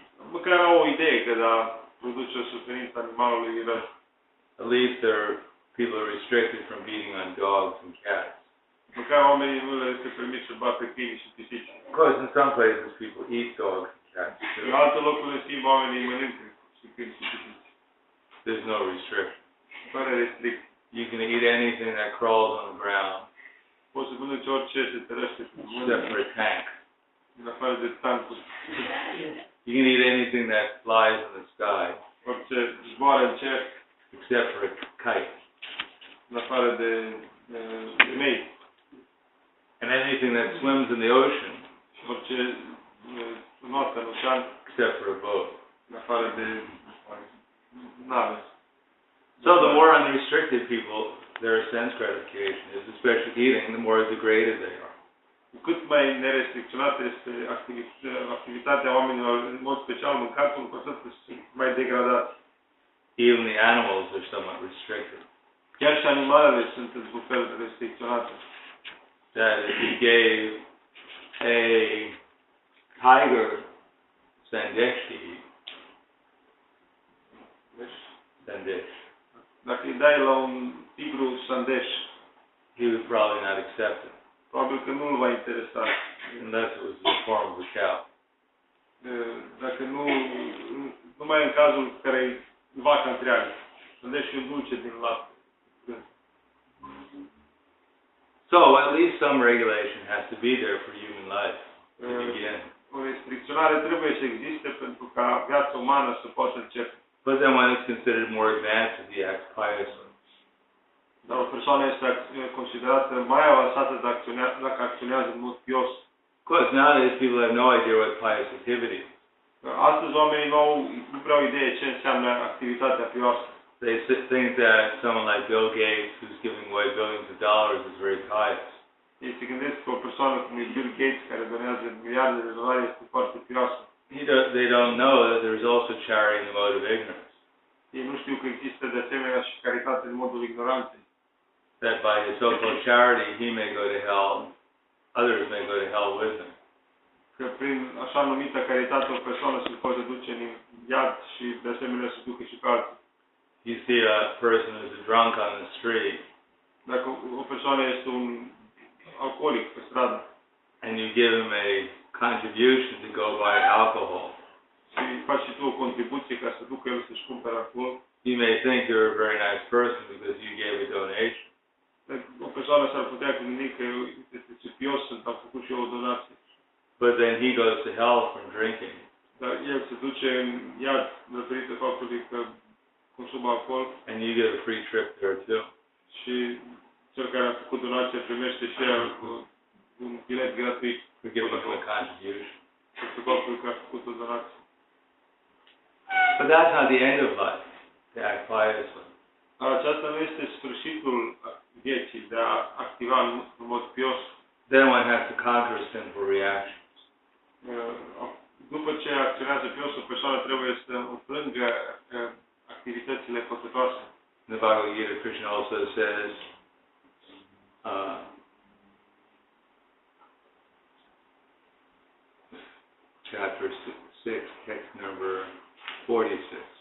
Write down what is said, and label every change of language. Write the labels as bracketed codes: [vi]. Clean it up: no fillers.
[ro] Măcar au o idee că da, produce o suferință animalului, [en] you know. At least there people are restricted from beating on dogs and cats. [ro] Măcar oamenii nu le este permis să bată câini și pisici. [en] Of course, in some places people eat dogs and cats too. [ro] În alte locuri se simt oamenii mănâncă și câini și pisici. [en] There's no restriction. [ro] Fără restrict. [en] You can eat anything that crawls on the ground. [ro] Poți să mănânci orice se terăște pe [en] pământ. Except for a tank. [ro] În afară de tankuri. [en] You can eat anything that flies in the sky. [ro] Orice zboară în cer. [en] Except for a kite. [ro] În afară de mei. [en] And anything that swims in the ocean. [ro] Orice notă în ocean. [en] Except for a boat. [ro] În afară de nave. [en] So the more unrestricted people, their sense gratification is, especially eating, the more degraded they are. [ro] Cu cât mai nerestricționată este activitatea oamenilor, în mod special mâncatul, cu atât mai degradat. [en] Even the animals are somewhat restricted. [ro] Chiar și animalele sunt într-un fel restricționate. [en] That if you gave a tiger sandesh to eat, [ro] dacă îi dai la un tigru sandesh, [en] he would probably not accept it. [ro] Probabil că nu îl va interesa. [en] Unless it was the form of a cow. [ro] Dacă nu, numai în cazul care e vaca întreagă. Sandesh e dulce din lapte. [en] So, at least some regulation has to be there for human life to begin. [ro] o restricționare trebuie să existe pentru ca viața umană să poată începe. [en] But then one is considered more advanced if he acts piously. [ro] Dar o persoană este considerată mai avansată dacă acționează în mod pios. [en] Because nowadays people have no idea what pious activity is. [ro] Astăzi oamenii nu prea au idee ce înseamnă activitatea pioasă. [en] They think that someone like Bill Gates, who's giving away billions of dollars, is very pious. [ro] Ei se gândesc că o persoană cum e Bill Gates, care donează miliarde de dolari, este foarte pioasă. [en] They don't know that there's also charity in the mode of ignorance. [ro] Ei nu știu că există de asemenea și caritate în modul ignoranței. [en] That by his so-called charity, he may go to hell, others may go to hell with him. [ro] Că prin așa numită caritate o persoană se poate duce în iad și de asemenea se ducă și pe alții. [en] You see a person who's a drunk on the street. [ro] Dacă o persoană este un alcoolic pe stradă. [en] And you give him a contribution to go buy alcohol. [ro] Și faci și tu o contribuție ca să ducă el să-și cumpere alcool. [en] You may think you're a very nice person because you gave a donation. [ro] O persoană s-ar putea gândi că este cipios, sunt, am făcut și eu o donație. [en] But then he goes to hell from drinking. [ro] Dar el se duce în iad datorită faptului că consumă alcool. [en] And you get a free trip there too. [ro] Și cel care a făcut donația primește și el un bilet gratuit. [en] For giving him a contribution. [ro] Pentru faptul că a făcut o donație. [en] But that's not the end of life, to act piously. [ro] Dar aceasta nu este sfârșitul vieții, de a activa în mod pios. [en] Then one has to conquer sinful reaction. [ro] După ce acționează pios, o persoană trebuie să înfrângă activitățile păcătoase. [en] The Bhagavad Gita Krishna also says, chapter 6, text number 46.